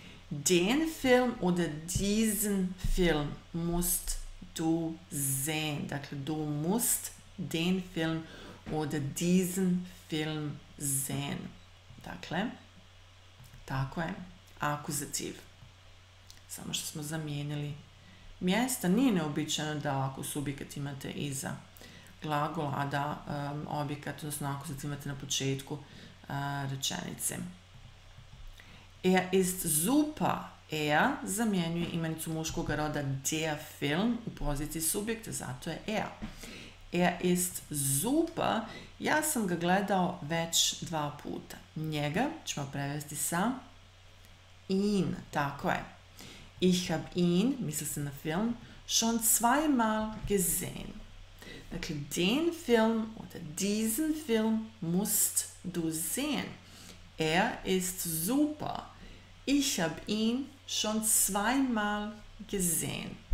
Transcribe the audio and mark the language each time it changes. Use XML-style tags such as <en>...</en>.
<de>Den Film oder diesen Film musst du sehen.</de> <bs>Dakle,</bs> <de>du musst den Film oder diesen Film sehen.</de> <bs>Dakle, tako je, akuzativ. Samo što smo zamijenili mjesta. Nije neobičajno da ako subjekat imate iza glagola, a da objekat, odnosno akuzativ imate na početku rečenice.</bs> <de>Er ist super. Er</de> <bs>zamjenjuje imenicu muškog roda der Film u poziciji subjekta, zato je er.</bs> <de>Er ist super.</de> <bs>Ja sam ga gledao već dva puta. Njega ćemo prevesti sa</bs> <de>ihn.</de> <bs>Tako je.</bs> <de>Ich hab ihn,</de> <bs>misli se na film,</bs> <de>schon zweimal gesehen.</de> <bs>Dakle,</bs> <de>den Film oder diesen Film musst du sehen. Er ist super. Ich hab ihn schon zweimal gesehen.</de>